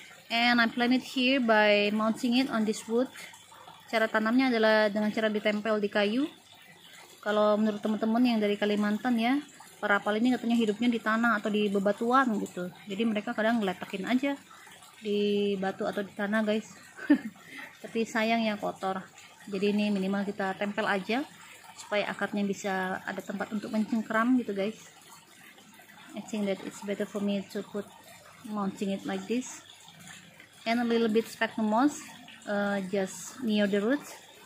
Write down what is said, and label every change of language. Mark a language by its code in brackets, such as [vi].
[en] And I plant it here by mounting it on this wood. [id] Cara tanamnya adalah dengan cara ditempel di kayu. Kalau menurut teman-teman yang dari Kalimantan ya. Parapal ini katanya hidupnya di tanah atau di bebatuan gitu. Jadi mereka kadang ngeletakin aja di batu atau di tanah guys. Tapi sayang ya kotor. Jadi ini minimal kita tempel aja supaya akarnya bisa ada tempat untuk mencengkram gitu guys. [en] I think that it's better for me to put mounting it like this. And a little bit sphagnum moss just near the roots.